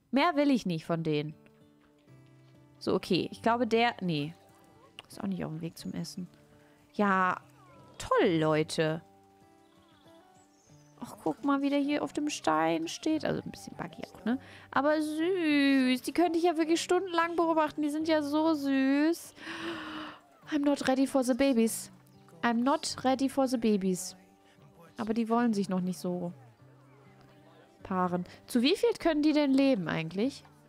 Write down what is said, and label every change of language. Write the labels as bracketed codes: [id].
[de] Mehr will ich nicht von denen. So, okay. Ich glaube, der... Nee. Ist auch nicht auf dem Weg zum Essen. Ja, toll, Leute. Ach, guck mal, wie der hier auf dem Stein steht. Also ein bisschen buggy auch, ne? Aber süß. Die könnte ich ja wirklich stundenlang beobachten. Die sind ja so süß. [en] I'm not ready for the babies. I'm not ready for the babies. [de] Aber die wollen sich noch nicht so paaren. Zu wie viel können die denn leben eigentlich?